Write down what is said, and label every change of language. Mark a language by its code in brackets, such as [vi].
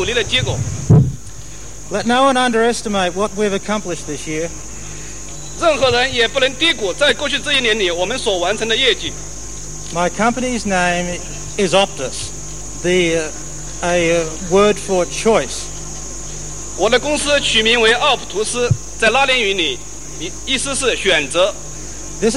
[zh] 这是在座的各位借中国、美国、澳大利亚无数人努力的结果。 [en] Let no one underestimate what we've accomplished this year. [zh] 任何人也不能低估在过去这一年里我们所完成的业绩。 [en] My company's name is Optus, a word for choice. [zh] 我的公司取名为奥普图斯，在拉丁语里，意思是选择。 [en] This